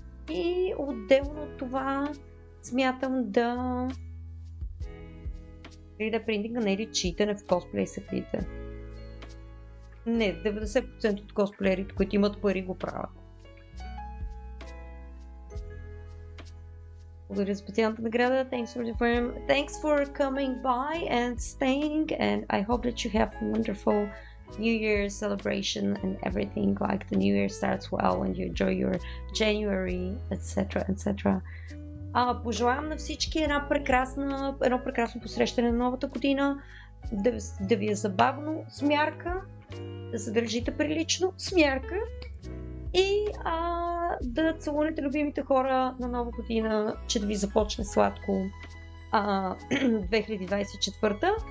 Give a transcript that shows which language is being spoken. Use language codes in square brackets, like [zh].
[bg] И отделно това смятам да 3D принтинга, не ли читане в косплей се пита. Не, 90% от косплеерите, които имат пари, го правят. Благодаря за специалната награда. [en] Thanks for the film. Thanks for coming by and staying. And I hope that you have a wonderful New Year celebration and everything. Like the New Year starts well and you enjoy your January, etc. etc. [bg] Пожелавам на всички едно прекрасно посрещане на новата година. Да ви е забавно, с мярка. Да се държите прилично, с мярка. И да целунете любимите хора на нова година, че да ви започне сладко 2024-та.